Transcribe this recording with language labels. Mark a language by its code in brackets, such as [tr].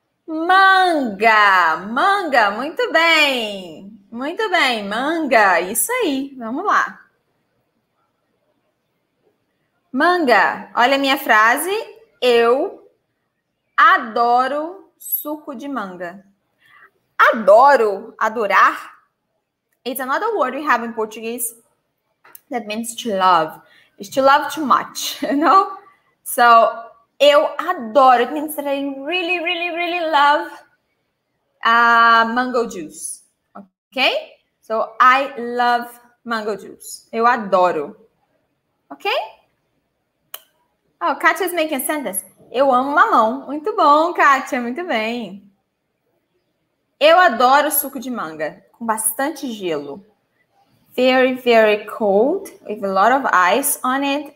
[pt] Manga, manga, muito bem, manga, isso aí, vamos lá. Manga, olha a minha frase, eu adoro suco de manga. [en] Adoro, adorar, it's another word we have in Portuguese that means to love. It's to love too much, you know? So, eu adoro, it means that I really, really, really love mango juice, ok? So, I love mango juice. Eu adoro, ok? Oh, Katia is making a sentence. [pt] Eu amo mamão. Muito bom, Katia, muito bem. Eu adoro suco de manga, com bastante gelo. [en] Very, very cold, with a lot of ice on it.